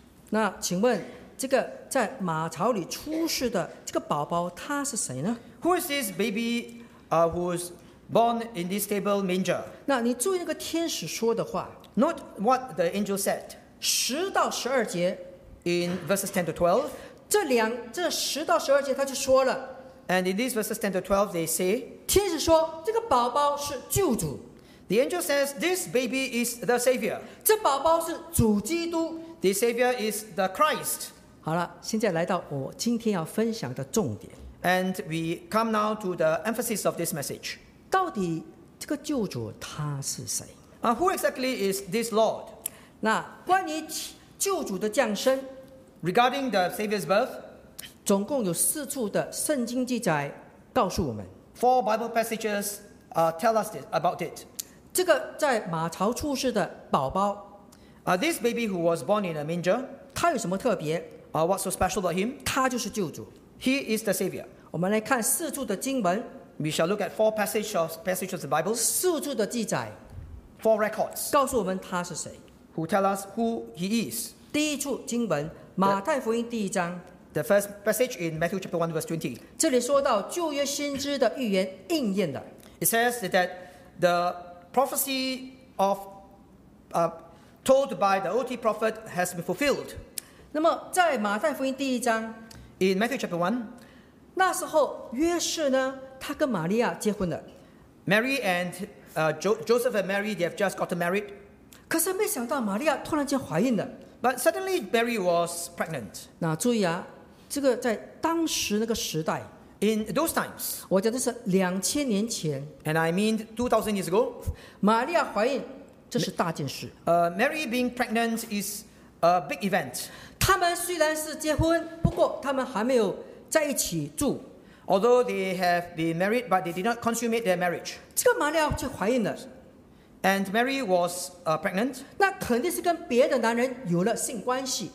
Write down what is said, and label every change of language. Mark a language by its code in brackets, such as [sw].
[zh] 那请问这个在马槽里出世的这个宝宝他是谁呢？ [en] Who is this baby who was born in this stable manger? [zh] 那你注意那个天使说的话。 [en] Note what the angel said. [zh] 十到十二节。 [en] In verses 10 to 12. [zh] 这十到十二节他就说了。 [en] And in these verses 10 to 12, they say, [zh] 天使说这个宝宝是救主。 [en] The angel says, this baby is the Savior. [zh] 这宝宝是主基督。 [en] The Savior is the Christ. [zh] 好了，现在来到我今天要分享的重点。 [en] And we come now to the emphasis of this message. [zh] 到底这个救主他是谁？ [en] Who exactly is this Lord? [zh] 那关于救主的降生， [en] regarding the Savior's birth, [zh] 总共有四处的圣经记载告诉我们。 [en] Four Bible passages tell us this, about it. [zh] 这个在马槽出世的宝宝， [en] This baby who was born in a manger, [zh] 他有什么特别？ [en] What's so special about him? [zh] 他就是救主。 [en] He is the Savior. [zh] 我们来看四处的经文。 [en] We shall look at four passages of the Bible. [zh] 四处的记载， [en] Four records, [zh] 告诉我们他是谁。 [en] Who tell us who he is. [zh] 第一处经文，马太福音第一章。 [en] The first passage in Matthew chapter 1 verse 20. [zh] 这里说到旧约先知的预言应验了。 [en] It says that the prophecy of told by the OT prophet has been fulfilled. [zh] 那么在马太福音第一章， [en] In Matthew chapter 1, [zh] 那时候约瑟呢，他跟玛利亚结婚了。 [en] Mary and Joseph and Mary, they have just gotten married. [zh] 可是没想到玛利亚突然间怀孕了。 [en] But suddenly Mary was pregnant. [zh] 那注意啊，这个在当时那个时代， [en] In those times, [zh] 我讲的是2000年前， [en] And I mean 2000 years ago, [zh] 玛利亚怀孕这是大件事。 [en] Mary being pregnant is a big event. [zh] 他们虽然是结婚，不过他们还没有在一起住。 [en] Although they have been married, but they did not consummate their marriage. [zh] 这个玛利亚却怀孕了。 [en] And Mary was pregnant. [zh] 那肯定是跟别的男人有了性关系。